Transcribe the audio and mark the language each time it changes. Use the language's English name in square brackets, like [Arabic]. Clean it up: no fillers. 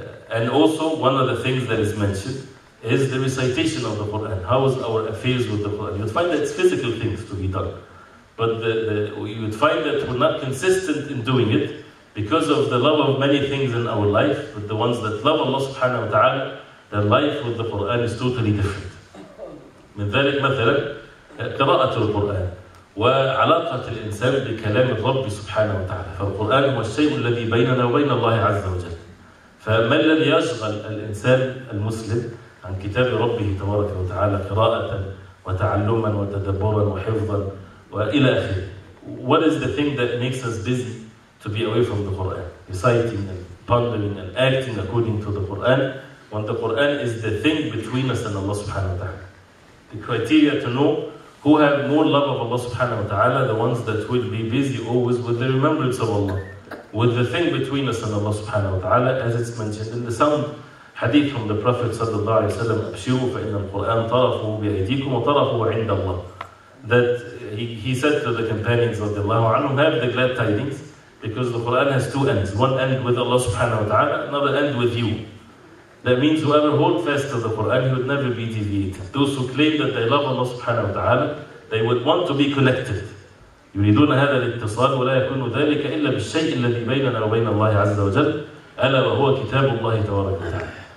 [English] And also one of the things that is mentioned is the recitation of the Quran. How is our affairs with the Quran? You would find that it's physical things to be done. But you would find that we're not consistent in doing it because of the love of many things in our life. But the ones that love Allah subhanahu wa ta'ala, their life with the Quran is totally different. [Arabic] من ذلك مثلا قراءة القرآن وعلاقة الإنسان بكلام الرب سبحانه وتعالى. فالقرآن هو الشيء الذي بيننا وبين الله عز وجل. فما الذي يشغل الإنسان المسلم عن كتاب ربه تبارك وتعالى قراءة وتعلما وتدبرا وحفظا وإلى آخره. [English] What is the thing that makes us busy to be away from the Quran? Reciting and pondering and acting according to the Quran, when the Quran is the thing between us and Allah subhanahu wa ta'ala. The criteria to know who have more love of Allah subhanahu wa ta'ala, the ones that will be busy always with the remembrance of Allah, with the thing between us and Allah subhanahu wa ta'ala, as it's mentioned in the sound hadith from the Prophet sallallahu alayhi wa sallam, [Arabic] أَبْشِرُوا فَإِنَّ الْقُرْآنَ طَرَفُهُ بِأَيْدِيكُمْ وَطَرَفُهُ عِنْدَ اللَّهِ. [English] That he said to the companions of Allah, have the glad tidings, because the Qur'an has two ends. One end with Allah subhanahu wa ta'ala, another end with you. That means whoever holds fast to the Quran, he would never be deviated. Those who claim that they love Allah subhanahu wa ta'ala, they would want to be connected. [Arabic] يريدون هذا الاتصال ولا يكون ذلك إلا بالشيء الذي بيننا وبين الله عز وجل ألا وهو كتاب الله تبارك وتعالى.